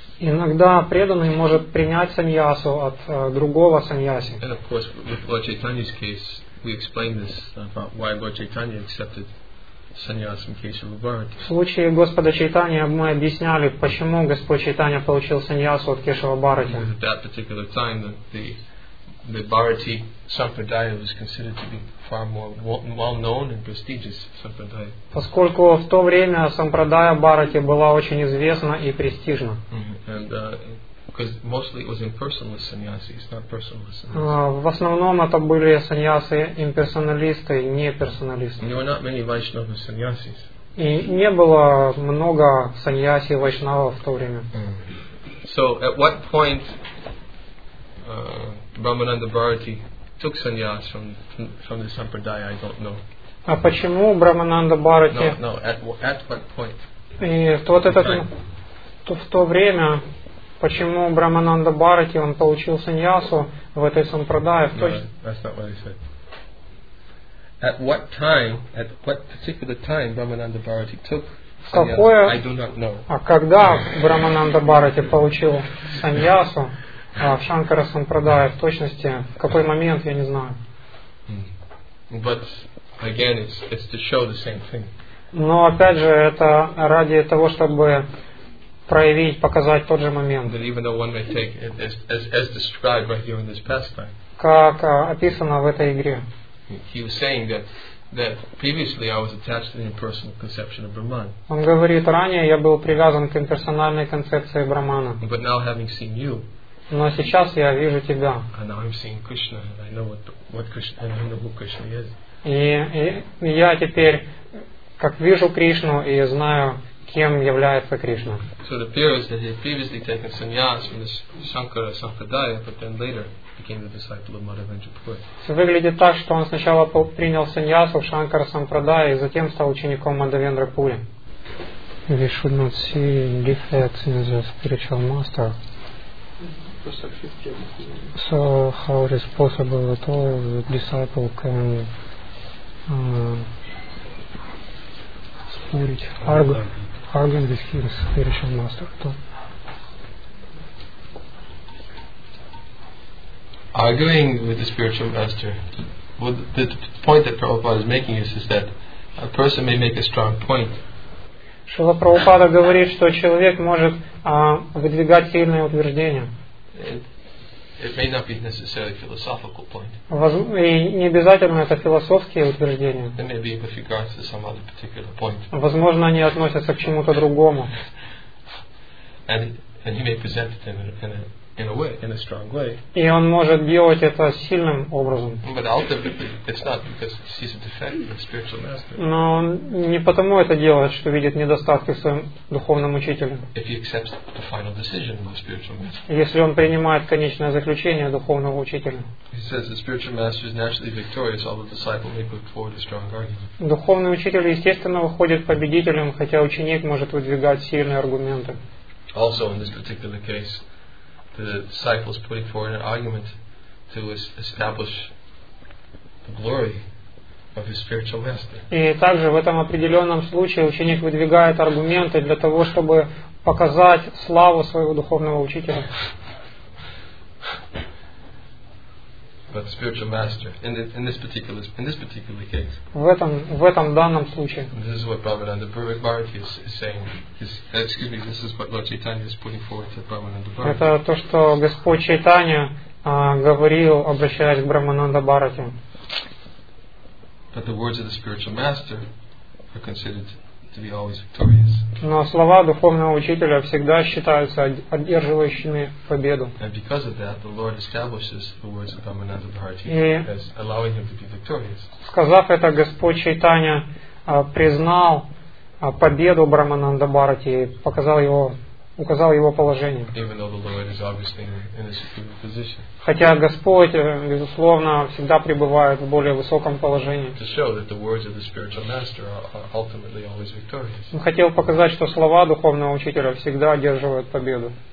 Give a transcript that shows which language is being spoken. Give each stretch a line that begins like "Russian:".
Russian: Иногда преданный может принять саньясу от другого саньяси.
English: And of course, with Lord Chaitanya's case, we explain this about why Lord Chaitanya accepted sannyas from Keshava Bharati.
Russian: В случае Господа Чайтаньи мы объясняли, почему Господь Чайтанья получил саньясу от Кешава Бхарати.
English: At that particular time, the Bharati Sampradaya was considered to be far more well-known and prestigious Sampradaya.
Russian: Поскольку в то время Сампрадая Бхарати была очень известна и престижна.
English: Because mostly it was impersonalist sannyasi, it's not personalist.
Russian: В основном это были саньясы имперсоналисты, не персоналисты.
English: There were not many Vaishnava sannyasis.
Russian: И не было много саньяси вайшнава в то время.
English: So at what point Brahmananda Bharati took sannyas from the Sampradaya, I don't know.
Russian: А почему Брамананда Бхарати?
English: No, at what point?
Russian: И вот этот, в то время, почему Брамананда Бхарати, он получил саньясу в этой Сампрадае?
English: No, that's not what I said. At what particular time Брамананда Бхарати took sannyas? I do not know.
Russian: А когда Брамананда Бхарати получил саньясу? В Шанкара Сампрадая, в точности, в какой момент, я не знаю.
English: But again, it's to show the same thing.
Russian: Но опять же, это ради того, чтобы проявить, показать тот же момент.
English: That even though one may take it as described right here in this pastime.
Russian: Как описано в этой игре.
English: He was saying that previously I was attached to the impersonal conception of Brahman.
Russian: Он говорит, ранее я был привязан к имперсональной концепции Брахмана.
English: But now having seen you.
Russian: Но сейчас я вижу тебя.
English: And now I'm seeing Krishna, and I know what Krishna, and I know who Krishna is.
Russian: И я теперь как вижу Кришну и знаю, кем является Кришна.
English: So it appears that he had previously taken sannyas from the Shankara Sampradaya, but then later became the disciple of Madhavendra Puri.
Russian: Выглядит так, что он сначала принял саньясу в Шанкара Сампрадая и затем стал учеником Мадхавендра Пури.
English: We should not see defects in the spiritual master. So how it is possible at all the disciple can spirit argue with his spiritual master too. Arguing with the spiritual master, well, the point that Prabhupada is making is that a person may make a strong point.
Russian: Шрила Прабхупада говорит, что человек может выдвигать сильные утверждения.
English: It may not be necessarily a philosophical point.
Russian: И не обязательно это философские утверждения.
English: It may be with regards to some other particular point.
Russian: Возможно, они относятся к чему-то другому.
English: And he may present it in a in a way, in a strong way.
Russian: И он может делать это сильным образом.
English: But ultimately, it's not because he sees a defect in the spiritual master.
Russian: Но он не потому это делает, что видит недостатки в своем духовном учителе.
English: If he accepts the final decision of the spiritual master.
Russian: Если он принимает конечное заключение духовного учителя.
English: He says the spiritual master is naturally victorious, although the disciple may put forward a strong argument.
Russian: Духовный учитель естественно выходит победителем, хотя ученик может выдвигать сильные аргументы.
English: Also, in this particular case, the disciple is putting forward an argument to establish the glory of his spiritual master.
Russian: И также в этом определенном случае ученик выдвигает аргументы для того, чтобы показать славу своего духовного учителя.
English: But the spiritual master, in this particular case.
Russian: В этом данном случае.
English: This is what Prabhupada Bhakti is saying. This is what Lord Chaitanya is putting forward to Brahmananda Bharati.
Russian: Это то, что Господь Чайтанья говорил, обращаясь к Брахмананда Бхарати.
English: But the words of the spiritual master are considered to be always victorious.
Russian: Но слова духовного учителя всегда считаются одерживающими победу.
English: And because of that, the Lord establishes the words of Brahmananda Bharati as allowing him to be victorious.
Russian: Сказав это, Господь Чайтанья признал победу Брахмананда Бхарати, указал его положение.
English: Even though the Lord is obviously in a superior position.
Russian: Хотя Господь, безусловно, всегда пребывает в более высоком положении.
English: To show that the words of the spiritual master are ultimately always victorious.
Russian: Он хотел показать, что слова духовного учителя всегда одерживают победу.